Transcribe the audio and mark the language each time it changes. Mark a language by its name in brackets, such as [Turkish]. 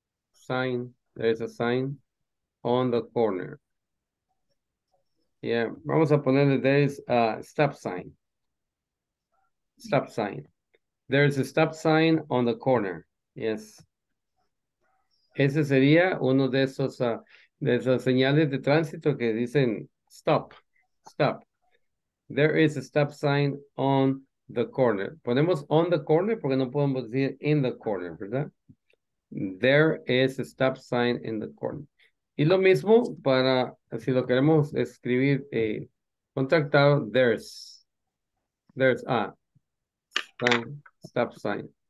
[English] Sign, there is a sign on the corner. Yeah, [Spanish] vamos a poner [English] that there is a stop sign. Stop sign. There is a stop sign on the corner. Yes. [Spanish] Ese sería uno de esos señales de tránsito que dicen stop, stop. [English] There is a stop sign on the corner. Ponemos on the corner [Spanish] porque no podemos decir [English] in the corner, ¿verdad? There is a stop sign in the corner. [Spanish] Y lo mismo para, si lo queremos escribir contactado, [English] there's a sign, stop sign.